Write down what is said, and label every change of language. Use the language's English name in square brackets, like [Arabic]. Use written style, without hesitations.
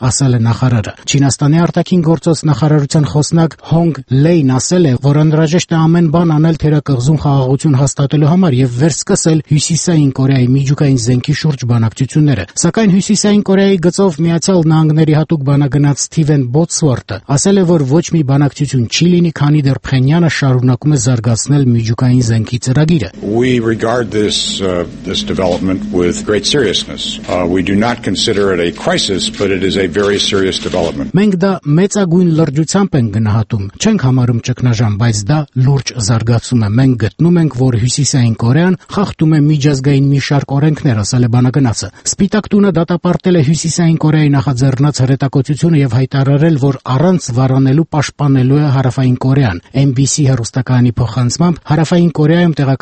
[Armenian] ասել է նախարարը։ Չինաստանի արտաքին գործոց նախարարության խոսնակ Հոնգ Լեյն ասել է, որ անհրաժեշտ է ամեն բան անել թերակղզում խաղաղություն հաստատելու համար և վերսկսել Հյուսիսային Կորեայի միջուկային զենքի շուրջ բանակցությունները։ Սակայն Հյուսիսային Կորեայի գծով Միացյալ Նահանգների հատուկ բանագնաց Սթիվեն Բոտսվորթը ասել է, որ ոչ մի բանակցություն չի լինի, քանի դեռ Փենյանը շարունակում է զարգացնել միջուկային զենքի ծրագիրը։ [English] We regard this development with great seriousness. We do not consider it a crisis, but it is a very serious development. [Armenian] Մենք դա մեծագույն լրջությամբ ենք գնահատում։ Չենք համարում ճգնաժամ, բայց դա լուրջ զարգացում է։ Մենք գտնում ենք, որ Հյուսիսային Կորեան խախտում է միջազգային մի շարք օրենքներ, ասել է բանակնացը։ Սպիտակ տունը դատապարտել է Հյուսիսային Կորեայի նախաձեռնած հրետակոծությունը և հայտարարել, որ առանց վարանելու պաշտպանելու է Հարավային Կորեան։ NBC հեռուստակայանի փոխանցմամբ Հարավային Կորեայում տեղակայված